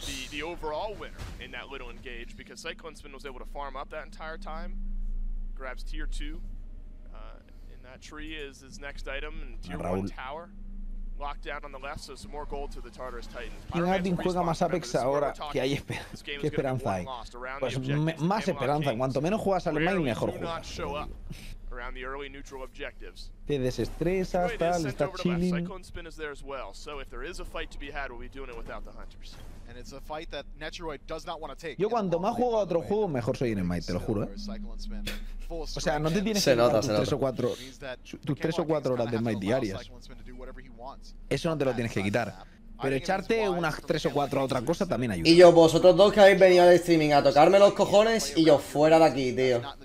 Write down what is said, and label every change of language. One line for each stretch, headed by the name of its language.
English: The overall winner in that little engage, because Cyclone Spin was able to farm up that entire time, grabs tier 2. That tree is his next item, and tier 1 tower locked down on the left, so some more gold to the Tartarus Titans.
Spanish: ¿Quién Martin juega más Apex ahora? ¿Qué hay qué esperanza hay? Pues más esperanza, en cuanto menos juegas al main, mejor juegas.
English: Around the early neutral objectives.
Spanish: Te desestresas, tal, está chilling.
English: Cyclone Spin is there as well, so if there is a fight to be had, we'll be doing it without the Hunters. And it's a fight that Netruid does not want to take.
Spanish: Yo cuanto más juego a otro juego, mejor soy en el Might, te lo juro, O sea, no te tienes se que nota, tus 3 o 4 horas de Might diarias. Eso no te lo tienes que quitar. Pero echarte unas 3 o 4 a otra cosa también ayuda. Y yo, vosotros dos que habéis venido al streaming a tocarme los cojones y yo fuera de aquí, tío.